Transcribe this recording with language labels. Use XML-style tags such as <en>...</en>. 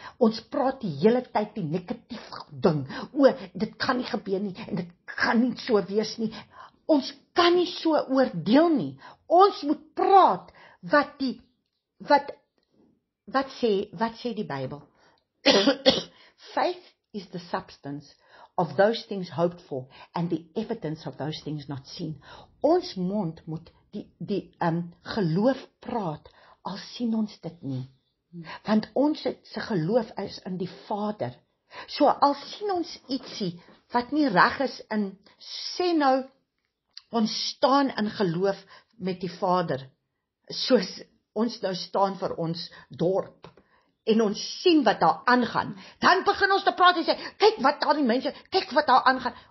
<af>Ons praat die hele tyd die negatief ding. O, dit kan nie gebeur nie, en dit kan nie so wees nie. Ons kan nie so oordeel nie. Ons moet praat wat sê die Bybel?</af> <en>Faith is the substance of those things hoped for and the evidence of those things not seen.</en> <af>Ons mond moet die geloof praat, al sien ons dit nie. Want ons se geloof is in die Vader. So al sien ons ietsie wat nie reg is in, sê nou, ons staan in geloof met die Vader, soos ons nou staan vir ons dorp, en ons sien wat daar aangaan, dan begin ons te praat en sê, kyk wat daar die mense, kyk wat daar aangaan.</af>